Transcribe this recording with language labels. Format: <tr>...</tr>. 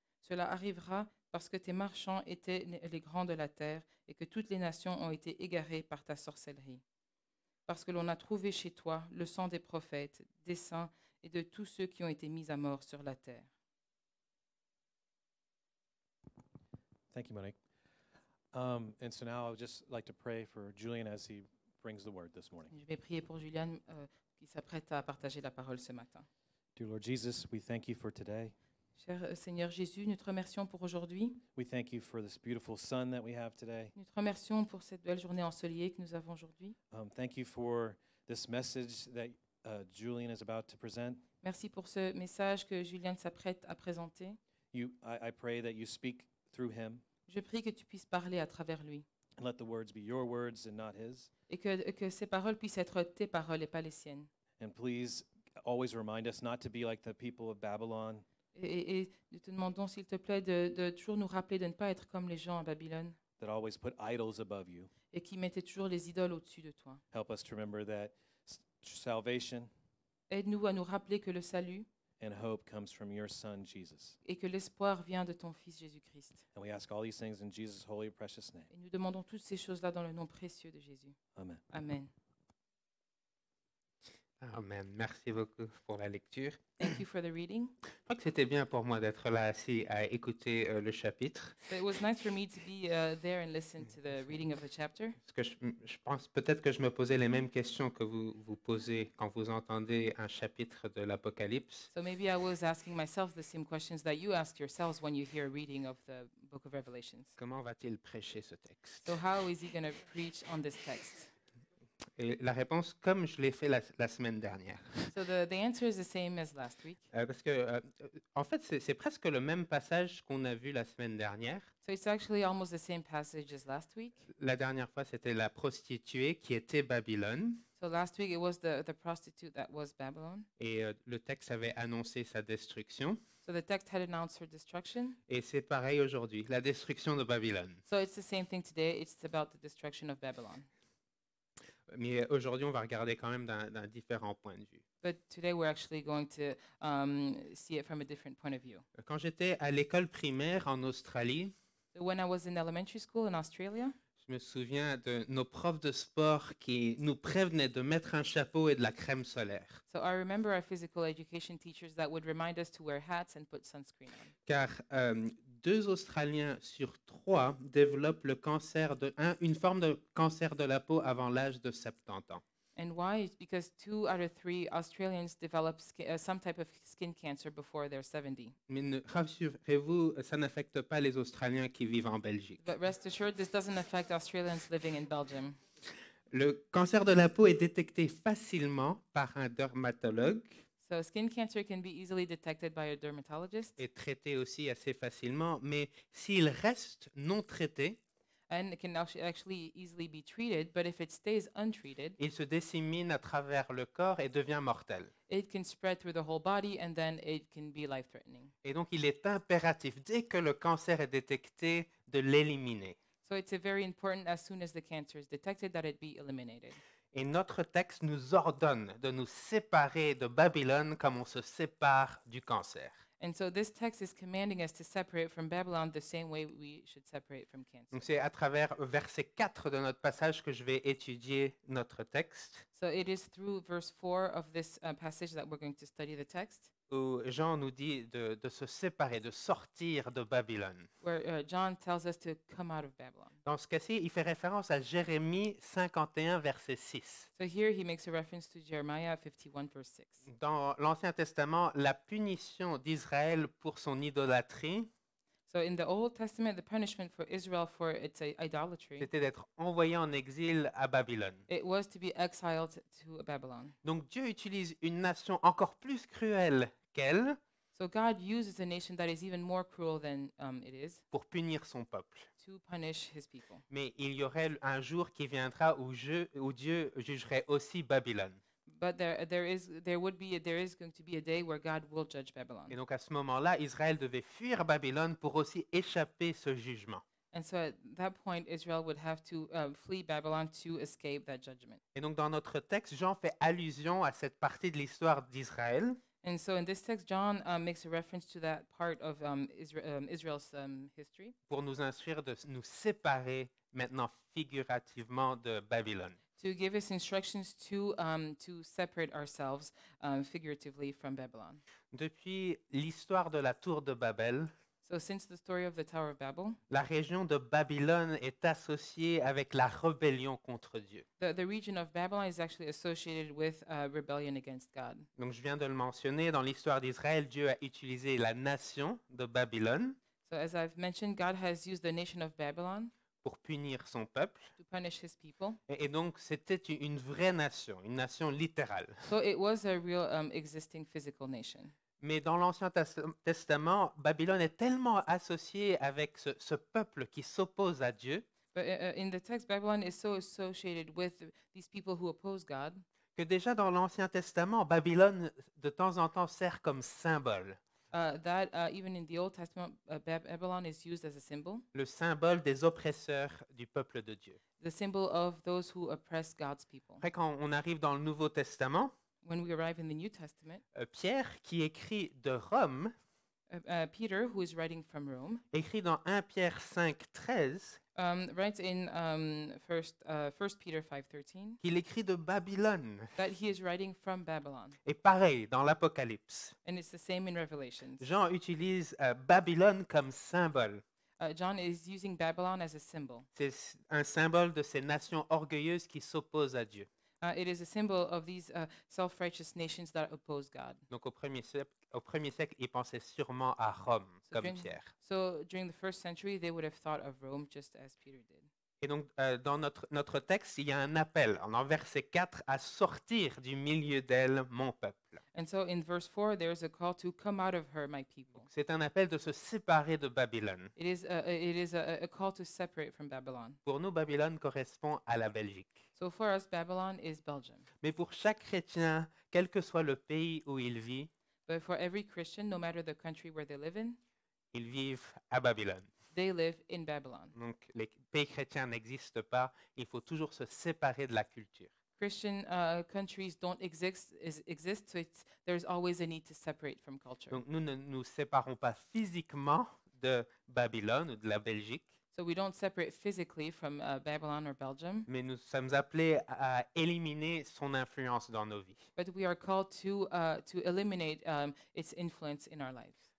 <fr>Cela arrivera parce que tes marchands étaient les grands de la terre et que toutes les nations ont été égarées par ta sorcellerie. Parce que l'on a trouvé chez toi le sang des prophètes, des saints et de tous ceux qui ont été mis à mort sur la terre. »</fr> <en>Thank you, Monique. And so now I would just like to pray for Julian as he brings the word this morning.</en> <fr>Je vais prier pour Julian qui s'apprête à partager la parole ce matin.</fr> <en>Dear Lord Jesus, we thank you for today.</en> <fr>Cher Seigneur Jésus, nous te remercions pour aujourd'hui.</fr> <en>We thank you for this beautiful sun that we have today.</en> <fr>Nous te remercions pour cette belle journée ensoleillée que nous avons aujourd'hui.</fr> <en>Thank you for this message that Julian is about to present.</en> <fr>Merci pour ce message que Julian s'apprête à présenter.</fr> <en>I pray that you speak through him.</en> <fr>Je prie que tu puisses parler à travers lui.</fr> <en>And let the words be your words and not his.</en> <fr>Et que ces paroles puissent être tes paroles et pas les siennes.</fr> <en>And please always remind us not to be like the people of Babylon.</en> <fr>Et nous te demandons, s'il te plaît, de toujours nous rappeler de ne pas être comme les gens à Babylone.</fr> <en>That always put idols above you.</en> <fr>Et qui mettaient toujours les idoles au-dessus de toi.</fr> <en>Help us to remember that salvation.</en> <fr>Aide-nous à nous rappeler que le salut.</fr> <en>And hope comes from your son, Jesus.</en> <fr>Et que l'espoir vient de ton fils Jésus-Christ.</fr> <en>And we ask all these things in Jesus' holy, precious name.</en> <fr>Et nous demandons toutes ces choses-là dans le nom précieux de Jésus.</fr> <en>Amen.</en> <fr>Amen. Amen. Merci beaucoup pour la lecture.</fr> <en>Thank you for the reading.</en> <fr>Je crois que c'était bien pour moi d'être là assis à écouter le chapitre.</fr> <en>So it was nice for me to be there and listen to the reading of the chapter.</en> <fr>Parce que je pense peut-être que je me posais les mêmes questions que vous posez quand vous entendez un chapitre de l'Apocalypse.</fr> <en>So maybe I was asking myself the same questions that you ask yourselves when you hear a reading of the Book of Revelations.</en> <fr>Comment va-t-il prêcher ce texte?</fr> <en>So how is he going to preach on this text?</en> <fr>Et la réponse, comme je l'ai fait la semaine dernière.</fr> <en>So the answer is the same as last week.</en> <fr>Parce que, en fait, c'est presque le même passage qu'on a vu la semaine dernière.</fr> <en>So it's actually almost the same passage as last week.</en> <fr>La dernière fois, c'était la prostituée qui était Babylone.</fr> <en>So last week, it was the prostitute that was Babylon.</en> <fr>Et le texte avait annoncé sa destruction.</fr> <en>So the text had announced her destruction.</en> <fr>Et c'est pareil aujourd'hui, la destruction de Babylone.</fr> <en>So it's the same thing today. It's about the destruction of Babylon.</en> <fr>Mais aujourd'hui, on va regarder quand même d'un différent point de vue.</fr> <en>But today we're actually going to see it from a different point of view.</en> <fr>Quand j'étais à l'école primaire en Australie,</fr> <en>so when I was in elementary school in Australia,</en> <fr>je me souviens de nos profs de sport qui nous prévenaient de mettre un chapeau et de la crème solaire.</fr> <en>So I remember our physical education teachers that would remind us to wear hats and put sunscreen on.</en> <fr>Car deux Australiens sur trois développent une forme de cancer de la peau avant l'âge de 70 ans.</fr> <en>And why? It's because two out of three Australians develop some type of skin cancer before they're 70.</en> <fr>Mais rassurez-vous, ça n'affecte pas les Australiens qui vivent en Belgique.</fr> <en>But rest assured, this doesn't affect Australians living in Belgium.</en> <fr>Le cancer de la peau est détecté facilement par un dermatologue.</fr> <en>So skin cancer can be easily detected by a dermatologist.</en> <fr>Et traité aussi assez facilement, mais s'il reste non traité,</fr> <en>and it can actually easily be treated, but if it stays untreated,</en> <fr>il se dissémine à travers le corps et devient mortel.</fr> <en>It can spread through the whole body and then it can be life-threatening.</en> <fr>Et donc il est impératif dès que le cancer est détecté de l'éliminer.</fr> <en>So it's very important as soon as the cancer is detected that it be eliminated.</en> <fr>Et notre texte nous ordonne de nous séparer de Babylone comme on se sépare du cancer.</fr> <en>And so this text is commanding us to separate from Babylon the same way we should separate from cancer.</en> <fr>Donc c'est à travers verset 4 de notre passage que je vais étudier notre texte.</fr> <en>So it is through verse 4 of this passage that we're going to study the text.</en> <fr>Où Jean nous dit de se séparer, de sortir de Babylone.</fr> <en>Where John tells us to come out of Babylon.</en> <fr>Dans ce cas-ci, il fait référence à Jérémie 51, verset 6.</fr> <en>So here he makes a reference to Jeremiah 51, verse 6.</en> <fr>Dans l'Ancien Testament, la punition d'Israël pour son idolâtrie.</fr> <en>So in the Old Testament, the punishment for Israel for its idolatry.</en> <fr>C'était d'être envoyé en exil à Babylone.</fr> <en>It was to be exiled to Babylon.</en> <fr>Donc Dieu utilise une nation encore plus cruelle qu'elle.</fr> <en>So God uses a nation that is even more cruel than it is.</en> <fr>Pour punir son peuple.</fr> <en>To punish his people.</en> <fr>Mais il y aurait un jour qui viendra où Dieu jugerait aussi Babylone.</fr> <en>But there is going to be a day where God will judge Babylon.</en> <fr>Et donc à ce moment-là, Israël devait fuir Babylone pour aussi échapper ce jugement.</fr> <en>And so at that point, Israel would have to flee Babylon to escape that judgment.</en> <fr>Et donc dans notre texte, Jean fait allusion à cette partie de l'histoire d'Israël.</fr> <en>And so in this text, John makes a reference to that part of Israel's history.</en> <fr>Pour nous instruire de nous séparer maintenant figurativement de Babylone.</fr> <en>To give us instructions to separate ourselves figuratively from Babylon.</en> <fr>Depuis l'histoire de la tour de Babel.</fr> <en>So since the story of the Tower of Babel, la région de Babylone est associée avec la rébellion contre Dieu. The region of Babylon is actually associated with rebellion against God.</en> <fr>Donc je viens de le mentionner, dans l'histoire d'Israël, Dieu a utilisé la nation de Babylone.</fr> <en>So as I've mentioned, God has used the nation of Babylon</en> <fr>pour punir son peuple.</fr> <en>To punish his people.</en> <fr>Et donc c'était une vraie nation, une nation littérale.</fr> <en>So it was a real existing physical nation.</en> <fr>Mais dans l'Ancien Testament, Babylone est tellement associée avec ce peuple qui s'oppose à Dieu.</fr> <en>In the text, Babylon is so associated with these people who oppose God.</en> <fr>Que déjà dans l'Ancien Testament, Babylone de temps en temps sert comme symbole.</fr> <en>Even in the Old Testament, Babylon is used as a symbol.</en> <fr>Le symbole des oppresseurs du peuple de Dieu.</fr> <en>The symbol of those who oppress God's people.</en> <fr>Après, quand on arrive dans le Nouveau Testament,</fr> <en>when we arrive in the New Testament,</en> <fr>Pierre, qui écrit de Rome,</fr> <en>Peter, who is writing from Rome,</en> <fr>écrit dans 1 Pierre 5:13,</fr> <en>writes in 1 Peter 5:13,</en> <fr>qu'il écrit de Babylone.</fr> <en>That he is writing from Babylon.</en> <fr>Et pareil dans l'Apocalypse.</fr> <en>And it's the same in Revelation.</en> <fr>Jean utilise Babylone comme symbole.</fr> <en>John is using Babylon as a symbol.</en> <fr>C'est un symbole de ces nations orgueilleuses qui s'opposent à Dieu.</fr> <en>It is a symbol of these self-righteous nations that oppose God.</en> <fr>Donc au premier siècle, ils pensaient sûrement à Rome, so comme</fr> <en>during,</en> <fr>Pierre.</fr> <en>So during the first century, they would have thought of Rome just as Peter did.</en> <fr>Et donc dans notre texte, il y a un appel en verset 4 à sortir du milieu d'elle, mon peuple.</fr> <en>And so in verse 4, there is a call to come out of her, my people.</en> <fr>Donc, c'est un appel de se séparer de Babylone.</fr> <en>It is a call to separate from Babylon.</en> <fr>Pour nous, Babylone correspond à la Belgique.</fr> <en>So for us, Babylon is Belgium.</en> <fr>Mais pour chaque chrétien, quel que soit le pays où il vit,</fr> <en>but for every Christian, no matter the country where they live in,</en> <fr>ils vivent à Babylone.</fr> <en>They live in Babylon.</en> <fr>Donc les pays chrétiens n'existent pas, il faut toujours se séparer de la culture.</fr> <en>Christian countries don't exist, so there's always a need to separate from culture.</en> <fr>Donc nous ne nous séparons pas physiquement de Babylone ou de la Belgique.</fr> <en>So we don't separate physically from Babylon or Belgium.</en> <fr>Mais nous sommes appelés à éliminer son influence dans nos vies.</fr> <en>But we are called to eliminate its influence in our lives.</en>